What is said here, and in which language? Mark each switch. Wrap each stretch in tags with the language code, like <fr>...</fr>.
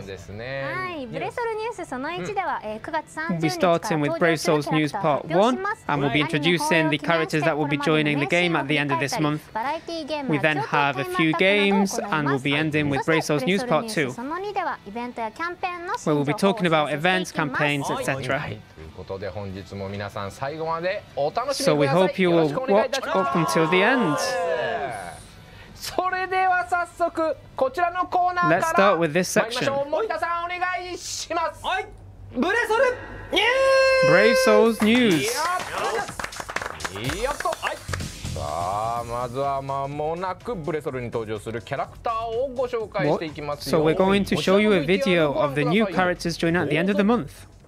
<ja>はい、ブレソルニュースその1では、9月30日から登場するキャラクターを発表します。</ja> <en>We'll be starting with Brave Souls News Part 1, and we'll be introducing the characters that will be joining the game at the end of this month. We then have a few games, and we'll be ending with Brave Souls News Part 2, where we'll be talking about events, campaigns, etc.</en> <ja>ということで本日も皆さん最後までお楽しみください。</ja> <en>So we hope you will watch up until the end.</en> <ja>それそれでは早速こちらのコーナーから参りましょう。森田さんお願いします。はい、ブレソルニュース。ブレイソルニュース。やっと。はい、さあまずは間もなくブレソルに登場するキャラクターをご紹介していきますよ。</ja> <en>So we're going to show you a video of the new characters joining at the end of the month.</en>